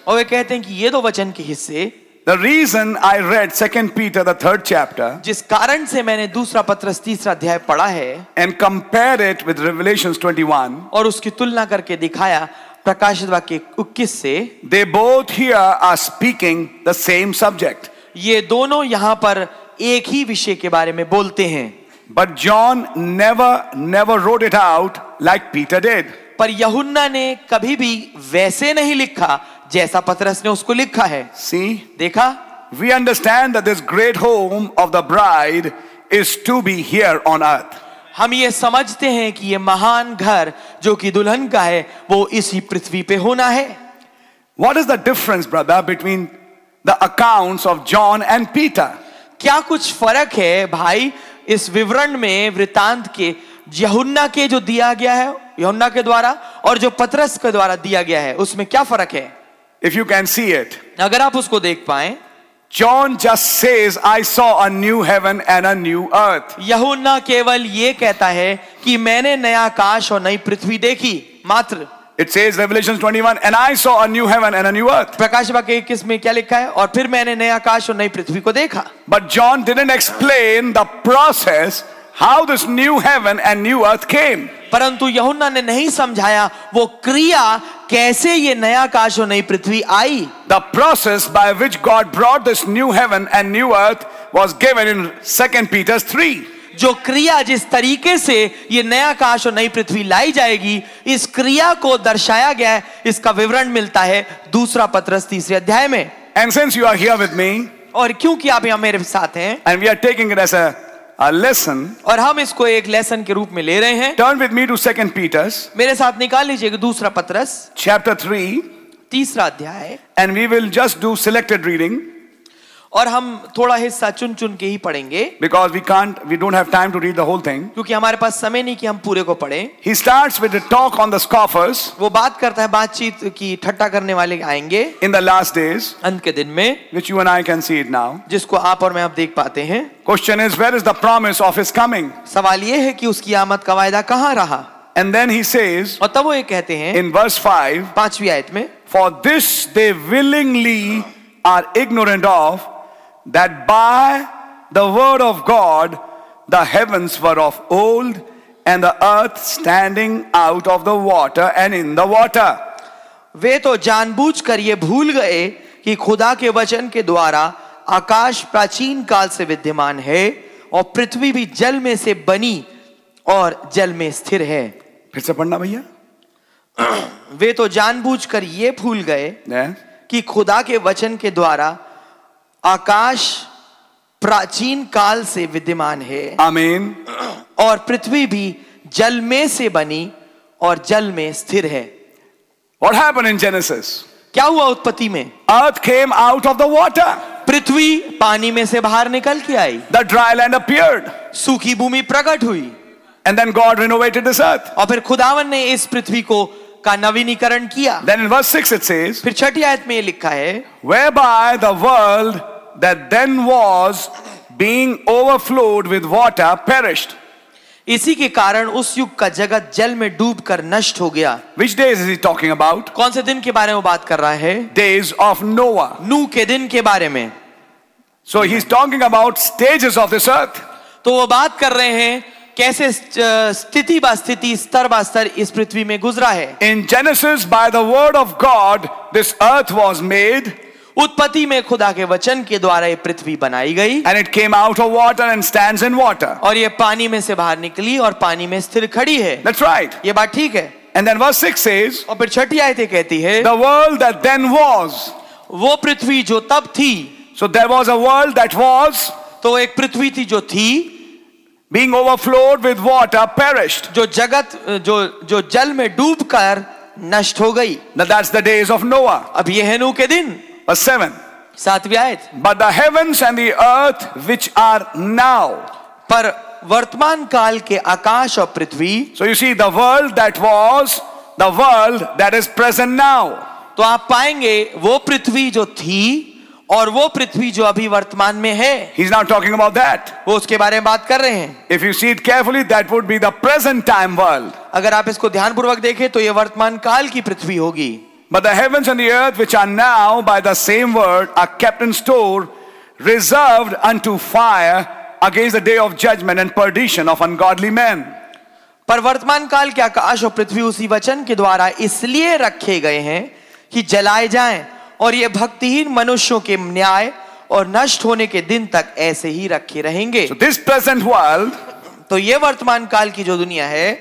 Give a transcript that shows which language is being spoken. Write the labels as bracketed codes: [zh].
[hi] और वे कहते हैं कि ये दो वचन के हिस्से. [en] The reason I read 2 Peter the 3rd chapter. [hi] जिस कारण से मैंने दूसरा पत्रस तीसरा अध्याय पढ़ा है. [en] And compare it with Revelations 21. [hi] और उसकी तुलना करके दिखाया प्रकाशित वाक्य 21 से. [en] They both here are speaking the same subject. [hi] ये दोनों यहाँ पर एक ही विषय के बारे में बोलते हैं. [en] But John never wrote it out like Peter did. [hi] पर यहुन्ना ने कभी भी वैसे नहीं लिखा जैसा पत्रस ने उसको लिखा है. [en] See, [hi] देखा? [en] We understand that this great home of the bride is to be here on earth. [hi] हम ये समझते हैं कि ये महान घर जो कि दुल्हन का है वो इसी पृथ्वी पे होना है. [en] What is the difference, brother, between the accounts of John and Peter? [hi] क्या कुछ फर्क है भाई इस विवरण में वृतांत के यहुन्ना के जो दिया गया है यहुन्ना के द्वारा और जो पत्रस के द्वारा दिया गया है उसमें क्या फर्क है? [en] If you can see it, [hi] अगर आप उसको देख पाएं, [en] John just says, "I saw a new heaven and a new earth." [hi] यहोन्ना केवल ये कहता है कि मैंने नया आकाश और नई पृथ्वी देखी मात्र. [en] It says Revelation 21, and I saw a new heaven and a new earth. [hi] प्रकाशवाक 21 में क्या लिखा है? और फिर मैंने नया आकाश और नई पृथ्वी को देखा. [en] But John didn't explain the process how this new heaven and new earth came. [hi] परंतु यहोन्ना ने नहीं समझाया वो क्रिया कैसे ये नया आकाश और नई पृथ्वी आई. [en] The process by which God brought this new heaven and new earth was given in 2 Peter 3. [hi] जो क्रिया जिस तरीके से ये नया आकाश और नई पृथ्वी लाई जाएगी इस क्रिया को दर्शाया गया है. इसका विवरण मिलता है दूसरा पत्रस तीसरे अध्याय में. [en] And since you are here with me, [hi] और क्योंकि आप यहाँ मेरे साथ हैं, [en] and we are taking it as a lesson, [hi] और हम इसको एक लेसन के रूप में ले रहे हैं. [en] Turn with me to 2 Peter's, [hi] मेरे साथ निकाल लीजिएगा दूसरा पत्रस, [en] chapter 3, [hi] तीसरा अध्याय, [en] and we will just do selected reading, [hi] और हम थोड़ा हिस्सा चुन चुन के ही पढ़ेंगे [en] because we can't we don't have time to read the whole thing [hi] क्योंकि हमारे पास समय नहीं कि हम पूरे को पढ़ें [en] he starts with the talk on the scoffers [hi] वो बात करता है बातचीत की ठट्टा करने वाले आएंगे [en] in the last days [hi] अंत के दिन में [en] which you and I can see it now [hi] जिसको आप और मैं अब देख पाते हैं [en] question is where is the promise of his coming [hi] सवाल ये है कि उसकी आमद का वायदा कहां रहा [en] and then he says [hi] और तब वो ये कहते हैं [en] in verse 5 [hi] पांचवी आयत में [en] for this they willingly are ignorant of That by the word of God, the heavens were of old, and the earth standing out of the water and in the water. [hi] वे तो जानबूझकर ये भूल गए कि खुदा के वचन के द्वारा आकाश प्राचीन काल से विद्यमान है और पृथ्वी भी जल में से बनी और जल में स्थिर है. फिर से पढ़ना भैया. वे तो जानबूझकर ये भूल गए कि खुदा के वचन के द्वारा आकाश प्राचीन काल से विद्यमान है आमीन और पृथ्वी भी जल में से बनी और जल में स्थिर है [en] What happened in Genesis? [hi] क्या हुआ उत्पत्ति में [en] Earth came out of the water. [hi] पृथ्वी पानी में से बाहर निकल के आई [en] The dry land appeared. [hi] सूखी भूमि प्रकट हुई [en] And then God renovated this earth. [hi] और फिर खुदावन ने इस पृथ्वी को का नवीनीकरण किया [en] Then in verse 6 it says, [hi] फिर छठी आयत में ये लिखा है [en] Whereby the world that then was being overflowed with water perished. [hi] इसी के कारण उस युग का जगत जल में डूब कर नष्ट हो गया [en] Which days is he talking about? [hi] कौन से दिन के बारे में बात कर रहा है [en] Days of Noah. [hi] नूह के दिन के बारे में [en] So he's talking about stages of this earth. [hi] तो वो बात कर रहे हैं कैसे स्थिति बा स्थिति स्तर बा स्तर इस पृथ्वी में गुजरा है [en] In Genesis by the word of God this earth was made [hi] उत्पत्ति में खुदा के वचन के द्वारा ये पृथ्वी बनाई गई [en] And it came out of water and stands in water [hi] और ये पानी में से बाहर निकली और पानी में स्थिर खड़ी है [en] That's right [hi] ये बात ठीक है [en] And then verse 6 says [hi] और फिर छठी आयत कहती है [en] The world that then was [hi] वो पृथ्वी जो तब थी [en] So there was a world that was [hi] तो एक पृथ्वी थी जो थी [en] Being overflowed with water, perished. [hi] जो जगत जो जो जल में डूब कर नष्ट हो गई. [en] Now that's the days of Noah. [hi] अब ये है नूह के दिन. [en] Verse 7. [hi] सातवीं आयत. [en] But the heavens and the earth, which are now. [hi] पर वर्तमान काल के आकाश और पृथ्वी. [en] So you see the world that was, the world that is present now. [hi] तो आप पाएंगे वो पृथ्वी जो थी. और वो पृथ्वी जो अभी वर्तमान में है [en] He's not talking about that. [hi] वो उसके बारे में बात कर रहे हैं [en] If you see it carefully, that would be the present time world. [hi] अगर आप इसको ध्यानपूर्वक देखें तो ये वर्तमान काल की पृथ्वी होगी [en] But the heavens and the earth which are now by the same word are kept in store reserved unto fire against the day of judgment and perdition of ungodly men. [hi] पर वर्तमान काल के आकाश और पृथ्वी उसी वचन के द्वारा इसलिए रखे गए हैं कि जलाए जाएं और ये भक्तिहीन मनुष्यों के न्याय और नष्ट होने के दिन तक ऐसे ही रखे रहेंगे [en] so this present world [hi] तो ये वर्तमान काल की जो दुनिया है